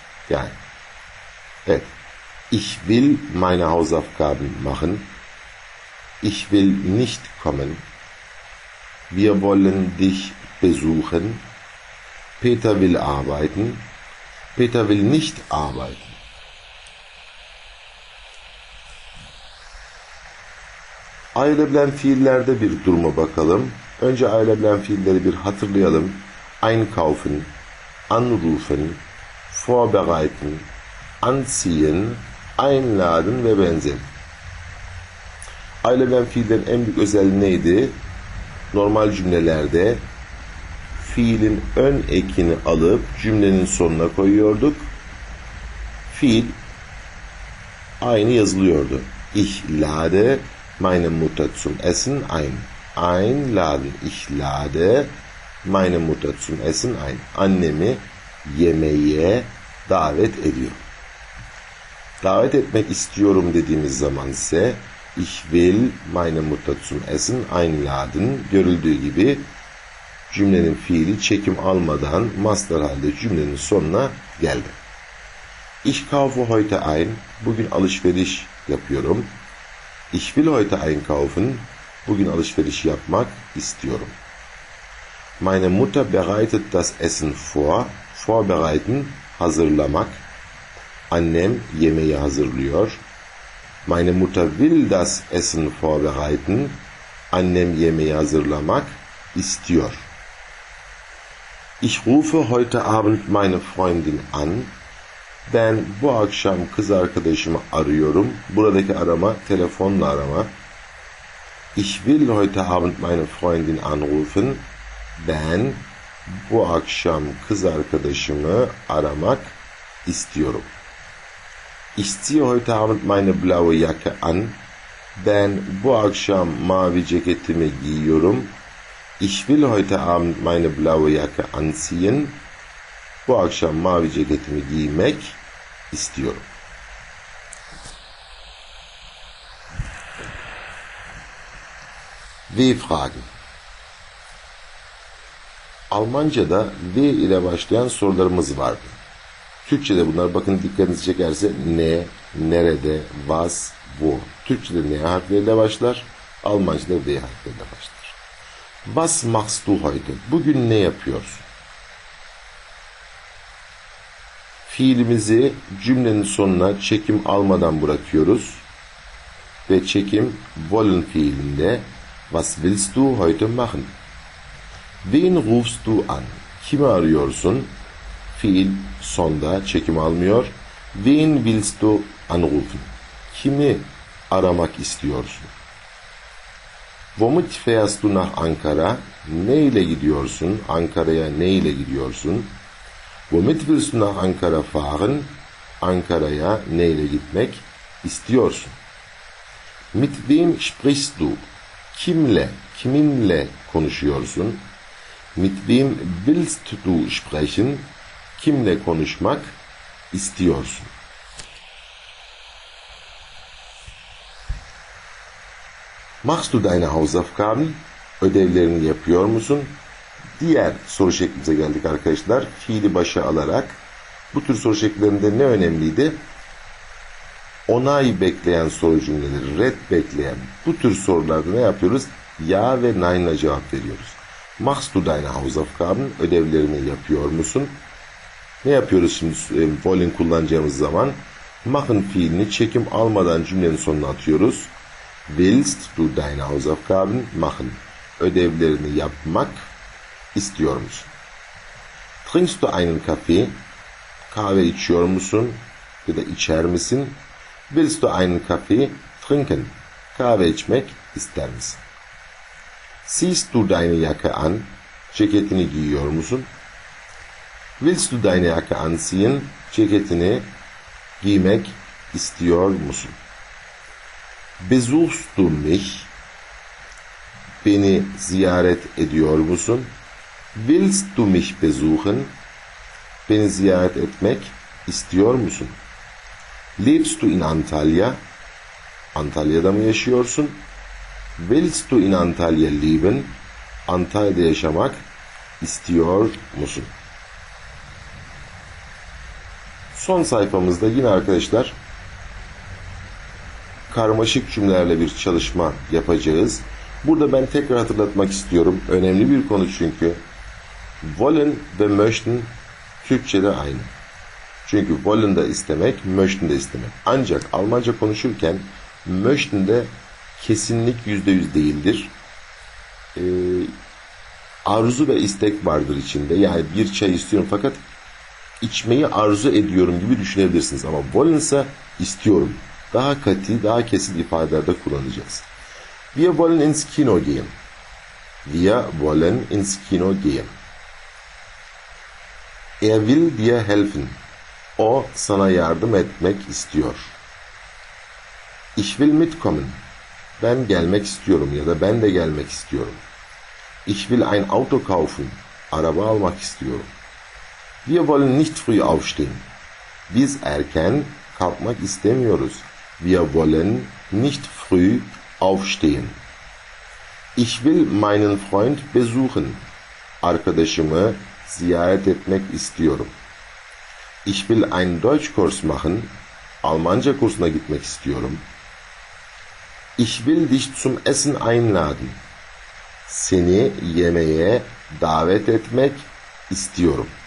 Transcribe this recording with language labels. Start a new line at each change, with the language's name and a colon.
Turkish: Yani, evet,
German: ich will meine Hausaufgaben machen, ich will nicht kommen, wir wollen dich besuchen, Peter will arbeiten, Peter will nicht arbeiten.
Turkish: Ayrılabilen fiillerde bir duruma bakalım. Önce ayrılabilen fiilleri bir hatırlayalım.
German: Einkaufen, anrufen, vorbereiten, anziehen, einladen
Turkish: ve benzeri. Ayrılabilen fiillerin en büyük özelliği neydi? Normal cümlelerde fiilin ön ekini alıp cümlenin sonuna koyuyorduk. Fiil aynı yazılıyordu.
German: Ich lade meine Mutter zum Essen ein. Einladen. Ich lade meine Mutter zum Essen ein.
Turkish: Annemi yemeğe davet ediyor. Davet etmek istiyorum dediğimiz zaman ise
German: ich will meine Mutter zum Essen einladen.
Turkish: Görüldüğü gibi cümlenin fiili çekim almadan master halde cümlenin sonuna geldi.
German: Ich kaufe heute ein.
Turkish: Bugün alışveriş yapıyorum.
German: Ich will heute einkaufen.
Turkish: Bugün alışveriş yapmak istiyorum.
German: Meine Mutter bereitet das Essen vor. Vorbereiten, hazırlamak.
Turkish: Annem yemeği hazırlıyor.
German: Meine Mutter will das Essen vorbereiten.
Turkish: Annem yemeği hazırlamak istiyor.
German: Ich rufe heute Abend meine Freundin an.
Turkish: Ben bu akşam kız arkadaşımı arıyorum. Buradaki arama telefonla arama.
German: Ich will heute Abend meine Freundin anrufen.
Turkish: Ben bu akşam kız arkadaşımı aramak istiyorum.
German: Ich ziehe heute Abend meine blaue Jacke an.
Turkish: Ben bu akşam mavi ceketimi giyiyorum.
German: Ich will heute Abend meine blaue Jacke anziehen.
Turkish: Bu akşam mavi ceketimi giymek istiyorum.
German: W fragen.
Turkish: Almanca'da W ile başlayan sorularımız vardı. Türkçe'de bunlar bakın dikkatinizi çekerse ne, nerede, was, wo. Türkçe'de N harfleriyle başlar, Almanca'da W harfleriyle başlar.
German: Was machst du heute?
Turkish: Bugün ne yapıyorsun? Fiilimizi cümlenin sonuna çekim almadan bırakıyoruz. Ve çekim wollen fiilinde.
German: Was willst du heute machen? Wen rufst du an?
Turkish: Kimi arıyorsun? Fiil sonda çekim almıyor.
German: Wen willst du anrufen?
Turkish: Kimi aramak istiyorsun?
German: Womit fährst du nach Ankara?
Turkish: Ne ile gidiyorsun? Ankara'ya ne ile gidiyorsun?
German: Womit willst du nach Ankara fahren?
Turkish: Ankara'ya neyle gitmek istiyorsun?
German: Mit wem sprichst du?
Turkish: Kimle, kiminle konuşuyorsun?
German: Mit wem willst du sprechen?
Turkish: Kimle konuşmak istiyorsun?
German: Machst du deine Hausaufgaben?
Turkish: Ödevlerini yapıyor musun? Diğer soru şeklimize geldik arkadaşlar. Fiili başa alarak bu tür soru şeklinde ne önemliydi? Onay bekleyen soru cümleleri, red bekleyen bu tür sorularda ne yapıyoruz? Ya ve nein'la cevap veriyoruz.
German: Machst du deine Hausaufgaben?
Turkish: Ödevlerini yapıyor musun? Ne yapıyoruz şimdi wollen kullanacağımız zaman? Machen fiilini çekim almadan cümlenin sonuna atıyoruz.
German: Willst du deine Hausaufgaben machen?
Turkish: Ödevlerini yapmak istiyor musun?
German: Trinkst du einen Kaffee?
Turkish: Kahve içiyor musun? Ya da içer misin?
German: Willst du einen Kaffee trinken?
Turkish: Kahve içmek ister misin?
German: Siehst du deine Jacke an?
Turkish: Ceketini giyiyor musun?
German: Willst du deine Jacke anziehen?
Turkish: Ceketini giymek istiyor musun?
German: Besuchst du mich?
Turkish: Beni ziyaret ediyor musun?
German: Willst du mich besuchen?
Turkish: Beni ziyaret etmek istiyor musun?
German: Lebst du in Antalya?
Turkish: Antalya'da mı yaşıyorsun?
German: Willst du in Antalya leben?
Turkish: Antalya'da yaşamak istiyor musun? Son sayfamızda yine arkadaşlar karmaşık cümlelerle bir çalışma yapacağız. Burada ben tekrar hatırlatmak istiyorum. Önemli bir konu çünkü. Wollen ve möchten Türkçe'de aynı. Çünkü wollen de istemek, möchten de istemek. Ancak Almanca konuşurken möchten de kesinlik %100 değildir. Arzu ve istek vardır içinde. Yani bir çay istiyorum fakat içmeyi arzu ediyorum gibi düşünebilirsiniz. Ama wollen ise istiyorum. Daha katı, daha kesin ifadelerde kullanacağız.
German: Wir wollen ins Kino gehen. Wir wollen ins Kino gehen. Er will dir helfen.
Turkish: O sana yardım etmek istiyor.
German: Ich will mitkommen.
Turkish: Ben gelmek istiyorum ya da ben de gelmek istiyorum.
German: Ich will ein Auto kaufen.
Turkish: Araba almak istiyorum.
German: Wir wollen nicht früh aufstehen.
Turkish: Biz erken kalkmak istemiyoruz.
German: Wir wollen nicht früh aufstehen. Ich will meinen Freund besuchen.
Turkish: Arkadaşımı ziyaret etmek istiyorum.
German: Ich will einen Deutschkurs machen.
Turkish: Almanca kursuna gitmek istiyorum.
German: Ich will dich zum Essen einladen.
Turkish: Seni yemeğe davet etmek istiyorum.